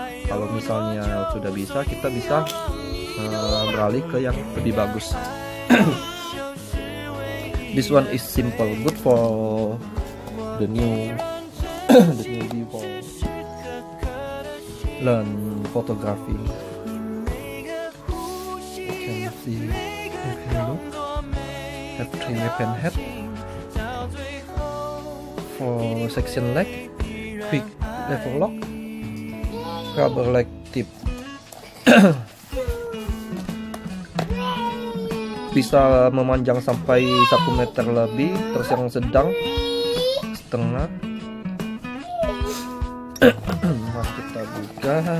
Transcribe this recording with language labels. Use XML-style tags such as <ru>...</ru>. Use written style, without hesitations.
<id>Kalau misalnya sudah bisa, kita bisa beralih ke yang lebih bagus.</id> <en>This one is simple, good for the new people learn photography. You can see, you can look, have 3 weapon head for section leg, quick lever lock, rubber leg tip.</en> <id>Bisa memanjang sampai 1 meter lebih, terus yang sedang setengah. Mas kita buka.</id>